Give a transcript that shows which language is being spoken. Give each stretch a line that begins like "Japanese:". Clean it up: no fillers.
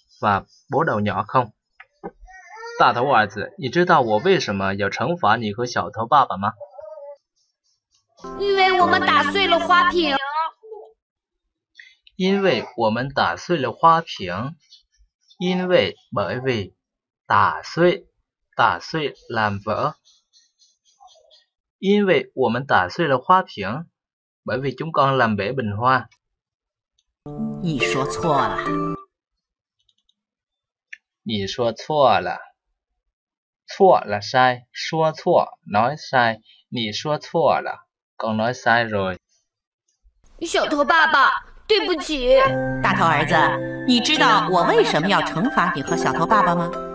Chinese: 把波斗鸟空。大头儿子，你知道我为什么要惩罚你和小头爸爸吗？因为我们打碎了花瓶。因为我们打碎了花瓶。因为
Vietnamese: bởi vì
Chinese: 打碎，打碎
Vietnamese: làm vỡ。
Chinese: 因为我们打碎了花瓶，因为
Vietnamese: chúng con làm bể bình hoa。
Chinese: 你说错了，你说错了，错了
Vietnamese: sai，
Chinese: 说错
Vietnamese: nói sai，
Chinese: 你说错了，
Vietnamese: con nói sai rồi。
Chinese: 小头爸爸，对不起。大头儿子，你知道我为什么要惩罚你和小头爸爸吗？